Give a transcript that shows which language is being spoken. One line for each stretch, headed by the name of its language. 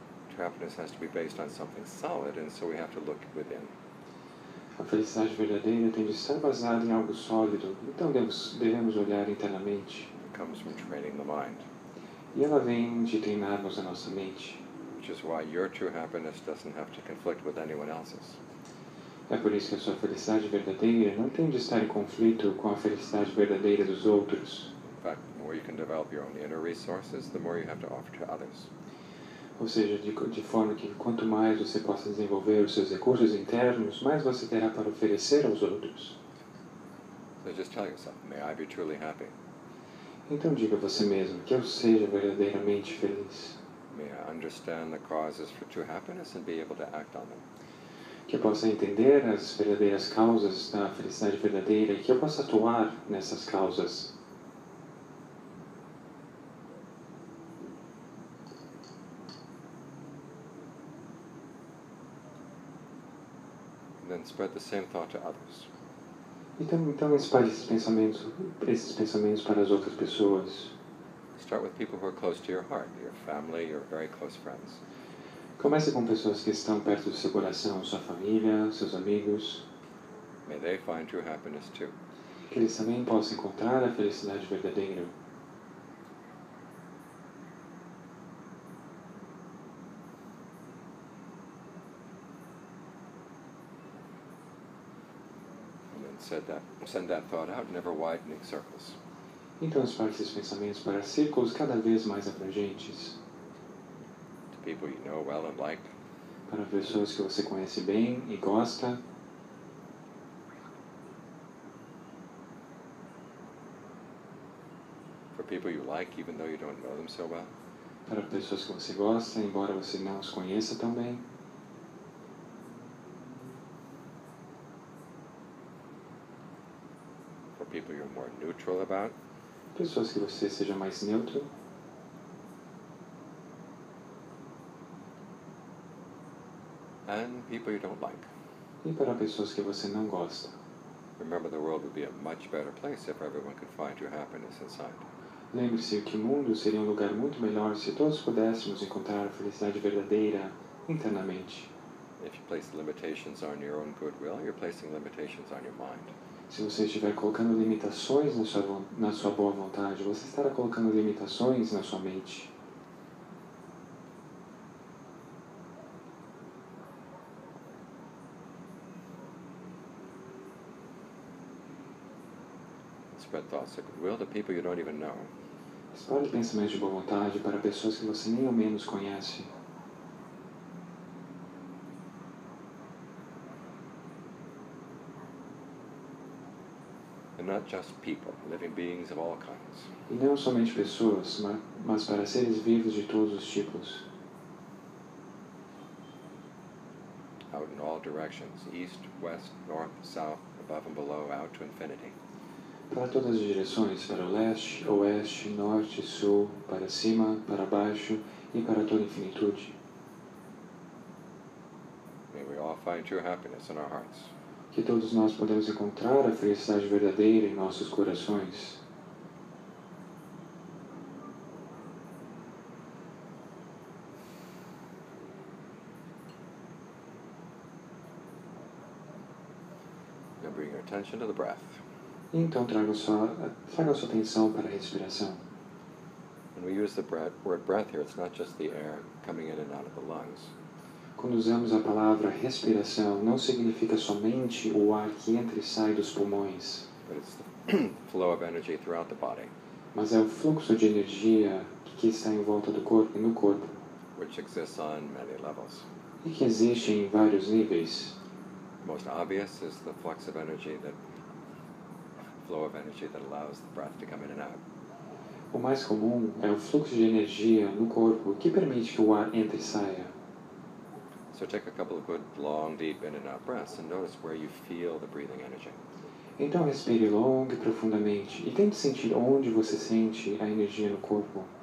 English: True happiness has to be based on something solid, and so we have to look within.
Portuguese: A felicidade verdadeira tem de estar baseada em algo sólido, então devemos olhar internamente.
English: It comes from training the mind.
Portuguese: E ela vem de treinarmos a nossa mente.
English: Which is why your true happiness doesn't have to conflict with anyone else's.
Portuguese: É por isso que a sua felicidade verdadeira não tem de estar em conflito com a felicidade verdadeira dos outros.
English: In fact, the more you can develop your own inner resources, the more you have to offer to others.
Portuguese: Ou seja, de forma que quanto mais você possa desenvolver os seus recursos internos, mais você terá para oferecer aos outros.
English: So just tell yourself, may I be truly happy.
Portuguese: Então diga a você mesmo, que eu seja verdadeiramente feliz.
English: May I understand the causes for true happiness and be able to act on them.
Portuguese: Que eu possa entender as verdadeiras causas da felicidade verdadeira e que eu possa atuar nessas causas.
English: And then spread the same thought to others.
Portuguese: Então espalhe esses pensamentos para as outras pessoas.
English: Start with people who are close to your heart, your family, your very close friends.
Portuguese: Comece com pessoas que estão perto do seu coração, sua família, seus amigos.
English: May they find true happiness too.
Portuguese: Que eles também possam encontrar a felicidade verdadeira.
English: And then send that thought out in ever widening circles.
Portuguese: Então espalhe esses pensamentos para círculos cada vez mais abrangentes.
English: To people you know well and like.
Portuguese: Para pessoas que você conhece bem e gosta.
English: For people you like, even though you don't know them so well.
Portuguese: Para pessoas que você gosta, embora você não os conheça tão bem.
English: For people you're more neutral about.
Portuguese: Pessoas que você seja mais neutro.
English: And people you don't like.
Portuguese: E para pessoas que você não gosta.
English: Remember, the world would be a much better place if everyone could find true happiness inside.
Portuguese: Lembre-se que o mundo seria um lugar muito melhor se todos pudéssemos encontrar a felicidade verdadeira internamente.
English: If you place limitations on your own goodwill, you're placing limitations on your mind.
Portuguese: Se você estiver colocando limitações na sua boa vontade, você estará colocando limitações na sua mente.
English: Spread thoughts of goodwill to people you don't even know.
Portuguese: Espalhe pensamentos de boa vontade para pessoas que você nem ao menos conhece.
English: Not just people, living beings of all kinds.
Portuguese: E não somente pessoas, mas para seres vivos de todos os tipos.
English: Out in all directions, east, west, north, south, above and below, out to infinity.
Portuguese: Para todas as direções, para leste, oeste, norte, sul, para cima, para baixo e para toda a infinitude.
English: May we all find true happiness in our hearts.
Portuguese: Que todos nós podemos encontrar a felicidade verdadeira em nossos corações.
English: Now bring your attention to the breath.
Portuguese: E então traga sua atenção para a respiração.
English: When we use the word breath here, it's not just the air coming in and out of the lungs.
Portuguese: Quando usamos a palavra respiração, não significa somente o ar que entra e sai dos pulmões.
English: But it's the flow of energy throughout the body.
Portuguese: Mas é o fluxo de energia que está em volta do corpo e no corpo.
English: Which exists on many levels.
Portuguese: E e que existe em vários níveis.
English: The most obvious is the flux of energy, that flow of energy that allows the breath to come in and out.
Portuguese: O mais comum é o fluxo de energia no corpo que permite que o ar entre e saia.
English: So take a couple of good long, deep in and out breaths and notice where you feel the breathing energy.
Portuguese: Então respire longo e profundamente e tente sentir onde você sente a energia no corpo.